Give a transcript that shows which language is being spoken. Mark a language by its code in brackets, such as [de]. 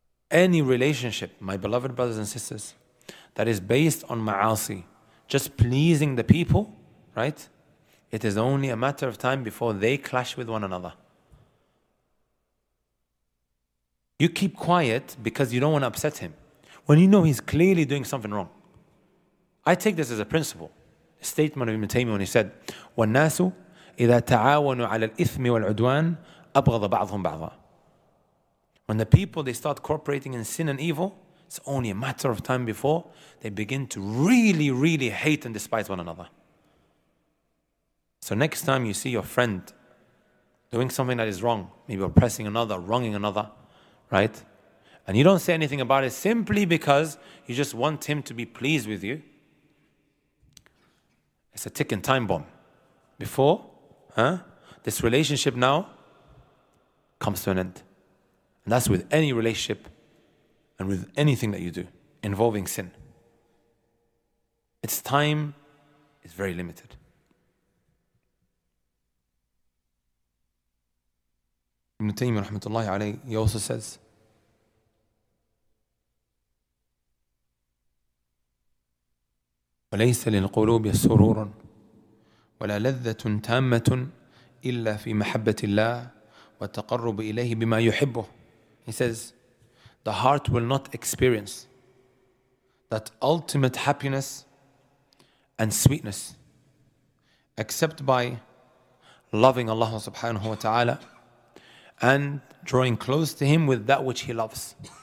[en] Any relationship, my beloved brothers and sisters, that is based on ma'asi, just pleasing the people, right? It is only a matter of time before they clash with one another. You keep quiet because you don't want to upset him, when you know he's clearly doing something wrong. I take this as a principle. A statement of Ibn Taymiyyah when he said, [ar] وَالنَّاسُ إِذَا تَعَاوَنُوا عَلَى الْإِثْمِ وَالْعُدْوَانِ أَبْغَضَ بَعْضُهُمْ بَعْضًا. [en] When the people, they start cooperating in sin and evil, it's only a matter of time before they begin to really, really hate and despise one another. So next time you see your friend doing something that is wrong, maybe oppressing another, wronging another, right? And you don't say anything about it simply because you just want him to be pleased with you. It's a ticking time bomb. Before, this relationship now comes to an end. And that's with any relationship and with anything that you do involving sin. Its time is very limited. Ibn Taymiyyah rahmatullahi alayhi, he also says, [ar] وليس للقلوب سرور ولا لذة تامة إلا في محبة الله والتقرب إليه بما يحبه. [en] He says, the heart will not experience that ultimate happiness and sweetness except by loving Allah subhanahu wa ta'ala and drawing close to Him with that which He loves.